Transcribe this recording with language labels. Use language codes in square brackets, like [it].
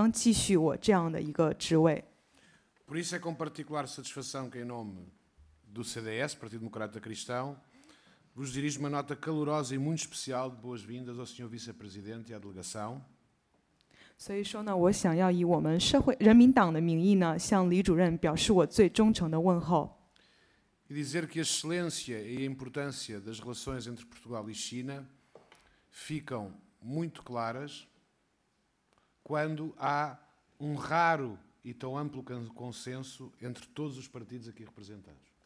[zh] 在这里呢，李主任在向您说话之前呢，我想要先自我介绍一下，我在过去的6年当中呢，我一直都是我们葡萄牙和中国友好小组的成员，并且呢，我还将继续我这样的一个职位。 [pt] Por isso é com particular satisfação que, em nome do CDS, Partido Democrata Cristão, vos dirijo uma nota calorosa e muito especial de boas-vindas ao Sr. Vice-Presidente e à delegação. [zh] 所以说呢，我想要以我们社会人民党的名义呢，向李主任表示我最忠诚的问候。 [pt] E dizer que a excelência e a importância das relações entre Portugal e China ficam muito claras quando há um raro e tão amplo consenso entre todos os partidos aqui representados.